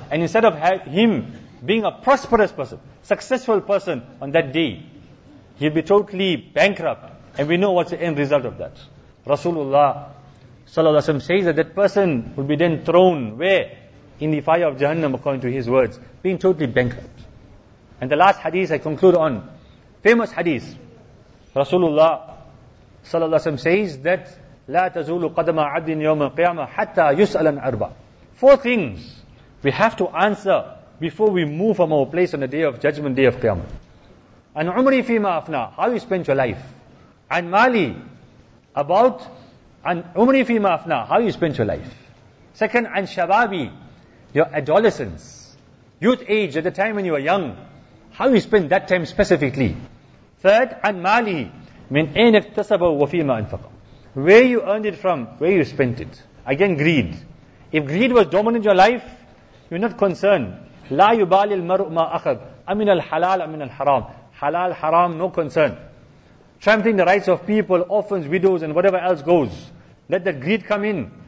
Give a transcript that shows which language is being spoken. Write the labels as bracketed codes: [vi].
[en] And instead of him being a prosperous person, successful person on that day, he'll be totally bankrupt. And we know what's the end result of that. Rasulullah sallallahu alaihi wasallam says that that person will be then thrown where? In the fire of Jahannam, according to his words, being totally bankrupt. And the last hadith I conclude on, famous hadith. Rasulullah sallallahu alaihi wasallam says that [ar] لا تزول قدم عبد يوم القيامة حتى يسأل عن أربع. [en] Four things we have to answer before we move from our place on the day of judgment, day of Qiyamah. [ar] عن عمري فيما أفنى. [en] How you spent your life. [ar] عن مالي. [en] About [ar] عن عمري فيما أفنى. [en] How you spent your life. Second, [ar] عن شبابي. [en] Your adolescence, youth age, at the time when you were young. How you spent that time specifically. Third, [ar] عن مالي. من أين اكتسبه وفيما أنفقه. [en] Where you earned it from, where you spent it. Again, greed. If greed was dominant in your life, you're not concerned. [ar] لا يبالي المرء ما أخذ. أمن الحلال أمن الحرام. [en] Halal, haram, no concern. Trampling the rights of people, orphans, widows, and whatever else goes. Let that greed come in.